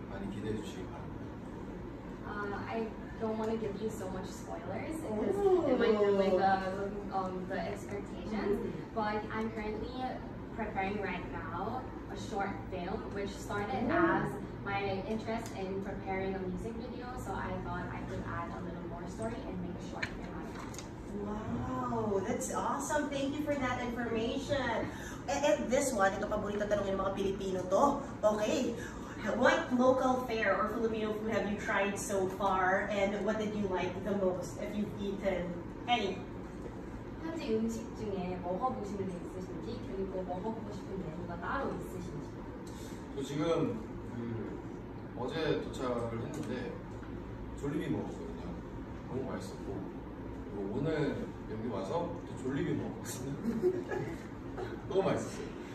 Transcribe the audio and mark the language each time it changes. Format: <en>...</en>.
<ko>기대해 주시기 바랍니다.</ko> <en>I don't want to give you so much spoilers. It might be like the expectations, but I'm currently preparing right now a short film which started as my interest in preparing a music video. So I thought I could add a little more story and make a short film. Wow, that's awesome. Thank you for that information. And this one,</en> <tl>ito paborito tanongin mga Pilipino to.</tl> <en>Okay. What local fare or Filipino food have you tried so far? And what did you like the most if you've eaten any?</en> <ko>현지 음식 중에 먹어보시는 게 있으신지 그리고 먹어보고 싶은 메뉴가 따로 있으신지. 저 지금 어제 도착을 했는데 졸리비 먹었거든요. 너무 맛있었고 오늘 여기 와서 또 졸리비 먹었거든요. 너무 맛있었어요.</ko>